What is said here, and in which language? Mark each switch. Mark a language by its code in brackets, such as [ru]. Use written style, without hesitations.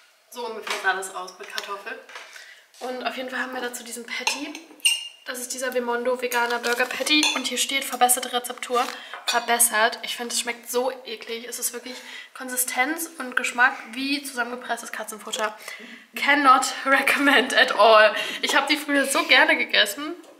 [de] So ungefähr sah das aus mit Kartoffel. Und auf jeden Fall haben wir dazu diesen Patty. Das ist dieser Vimondo veganer Burger Patty und hier steht verbesserte Rezeptur, verbessert. Ich finde, es schmeckt so eklig. Es ist wirklich Konsistenz und Geschmack wie zusammengepresstes Katzenfutter. [en] Cannot recommend at all. [de] Ich habe die früher so gerne gegessen.